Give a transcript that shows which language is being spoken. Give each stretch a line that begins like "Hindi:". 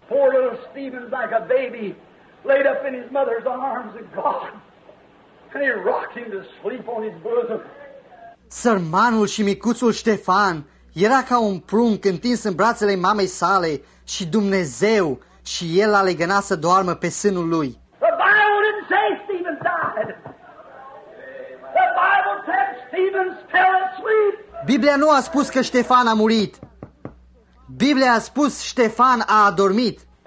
English: Poor little Stephen, like a baby, laid up in his mother's arms and gone. And he rocked him to sleep on his bosom.
Romanian: Sărmanul și micuțul Ștefan era ca un prunc întins în brațele mamei sale și Dumnezeu și el l-a legănat să doarmă pe sânul lui.
English: The Bible didn't say Stephen died. The Bible said Stephen fell asleep.
Romanian: Biblia nu a spus că Ștefan a murit. Biblia a spus Ștefan a adormit.